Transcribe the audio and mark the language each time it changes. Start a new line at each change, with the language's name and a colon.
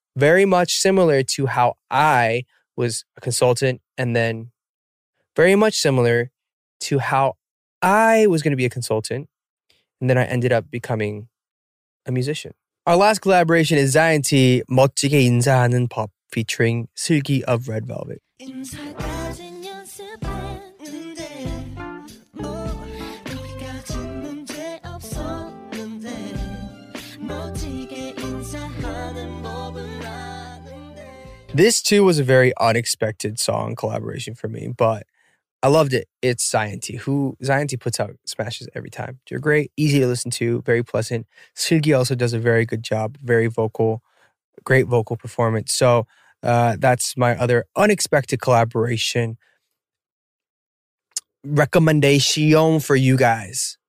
English: Very much similar to how I was a consultant and then very much similar to how I was going to be a consultant and then I ended up becoming a musician. Our last collaboration is Zion T, 멋지게 인사하는 법 featuring 슬기 of Red Velvet.
Korean: 인사까진 연습했는데 뭐 거기까진 문제 없었는데 멋지게 인사하는 법은 아는데.
English: This too was a very unexpected song collaboration for me, but I loved it. It's Zion T. Zion T puts out smashes every time. They're great. Easy to listen to. Very pleasant. Seulgi also does a very good job. Very vocal. Great vocal performance. So that's my other unexpected collaboration recommendation for you guys.